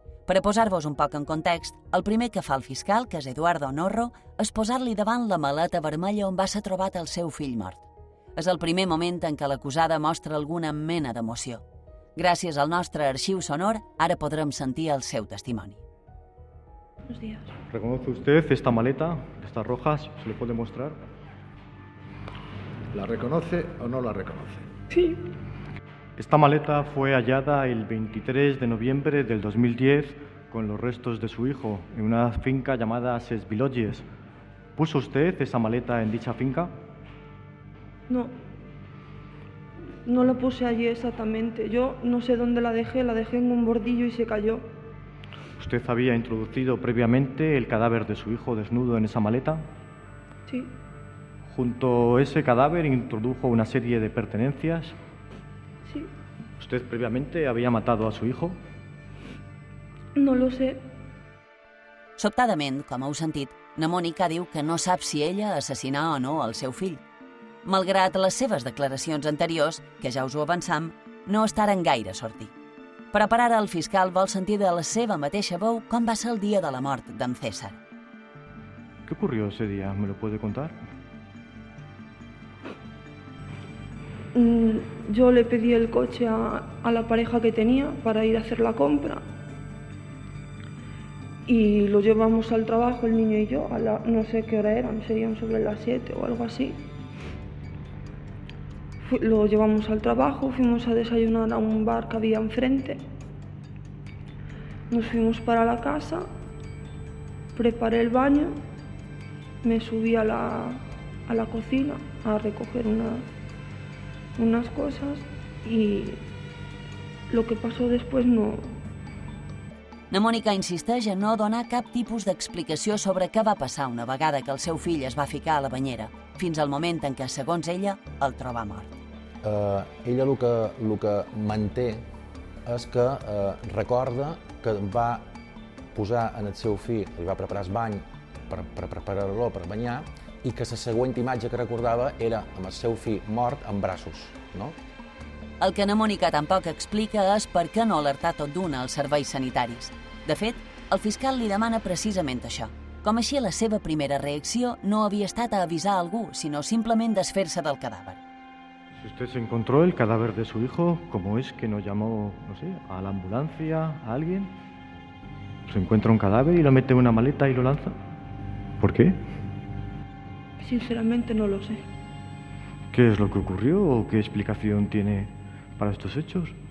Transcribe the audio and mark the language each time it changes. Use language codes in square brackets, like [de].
[ca] Per a posar-vos un poc en context, el primer que fa el fiscal, que és Eduardo Norro, és posar-li davant la maleta vermella on va ser trobat el seu fill mort. És el primer moment en què l'acusada mostra alguna mena d'emoció. Gràcies al nostre arxiu sonor, ara podrem sentir el seu testimoni. [es] Buenos días. ¿Reconoce usted esta maleta, estas rojas? ¿Se le puede mostrar? ¿La reconoce o no la reconoce? Sí. Esta maleta fue hallada el 23 de noviembre del 2010 con los restos de su hijo en una finca llamada Ses Vilogies. ¿Puso usted esa maleta en dicha finca? No. No la puse allí exactamente. Yo no sé dónde la dejé. La dejé en un bordillo y se cayó. ¿Usted había introducido previamente el cadáver de su hijo desnudo en esa maleta? Sí. ¿Junto a ese cadáver introdujo una serie de pertenencias? Sí. ¿Usted previamente había matado a su hijo? No lo sé. [ca] Sobtadament, com heu sentit, na Mònica diu que no sap si ella assassinà o no el seu fill. Malgrat les seves declaracions anteriors, que ja us ho avançam, no estaran gaire sortir. Però per ara el fiscal vol sentir de la seva mateixa veu com va ser el dia de la mort d'en César. [es] ¿Qué ocurrió ese día? ¿Me lo puede contar? Yo le pedí el coche a la pareja que tenía para ir a hacer la compra y lo llevamos al trabajo, el niño y yo, a la, no sé qué hora eran, serían sobre las 7 o algo así. Lo llevamos al trabajo, fuimos a desayunar a un bar que había enfrente. Nos fuimos para la casa, preparé el baño, me subí a la cocina a recoger unas cosas y lo que pasó después no. [ca] Na Mònica insisteix a no donar cap tipus d'explicació sobre què va passar una vegada que el seu fill es va ficar a la banyera, fins al moment en què, segons ella, el troba mort. Ella el que manté és que recorda que va posar en el seu fill, li va preparar el bany per preparar-lo per banyar, i que la següent imatge que recordava era amb el seu fill mort en braços, no? El que na Mònica tampoc explica és per què no alertar tot d'una als serveis sanitaris. De fet, el fiscal li demana precisament això. Com així la seva primera reacció no havia estat a avisar algú, sinó simplement desfer-se del cadàver. [es] Si usted se encontró el cadáver de su hijo, ¿cómo es que no llamó, no sé, a la ambulancia, a alguien? ¿Se encuentra un cadáver y lo mete en una maleta y lo lanza? ¿Por qué? Sinceramente no lo sé. ¿Qué es lo que ocurrió o qué explicación tiene para estos hechos?